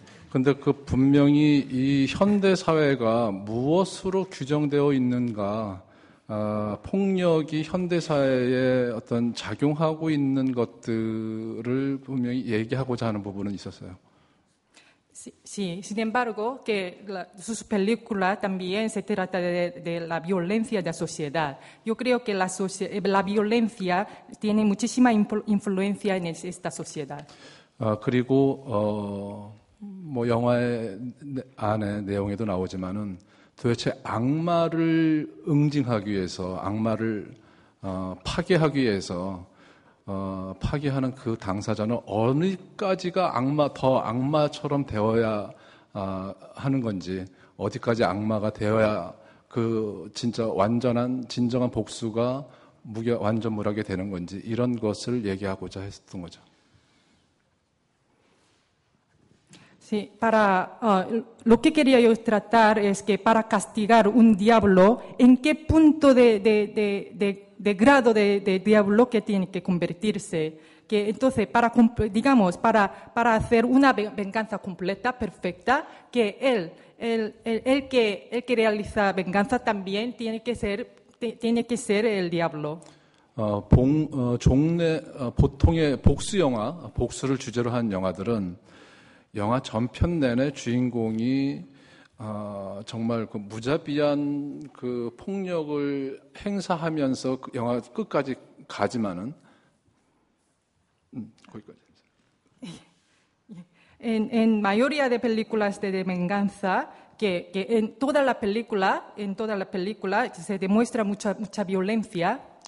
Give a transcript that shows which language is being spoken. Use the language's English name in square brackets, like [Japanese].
[Korean] 근데 그 분명히 이 현대 사회가 무엇으로 규정되어 있는가, 폭력이 현대 사회에 어떤 작용하고 있는 것들을 분명히 얘기하고자 하는 부분은 있었어요. [Spanish] Sí, sin embargo, que sus películas también se trata de la violencia de la sociedad. Yo creo que la violencia tiene muchísima influencia en esta sociedad. [Korean] 그리고 뭐 영화의 안에 내용에도 나오지만은 도대체 악마를 응징하기 위해서 악마를 파괴하기 위해서 파괴하는 그 당사자는 어디까지가 악마 더 악마처럼 되어야 하는 건지 어디까지 악마가 되어야 그 진짜 완전한 진정한 복수가 완전무하게 되는 건지 이런 것을 얘기하고자 했었던 거죠. [Spanish] Sí, lo que quería yo tratar es que para castigar un diablo, ¿en qué punto de de grado de diablo que tiene que convertirse. Que entonces, para, digamos, para hacer una venganza completa, perfecta, que el que realiza venganza también tiene que ser, tiene que ser el diablo. [Korean] 종래 보통의 복수 영화, 복수를 주제로 한 영화들은 영화 전편 내내 주인공이 정말 그 무자비한 그 폭력을 행사하면서 그 영화 끝까지 가지만은 거기까지. [Spanish] En mayoría de películas de venganza que en toda la película se demuestra mucha violencia.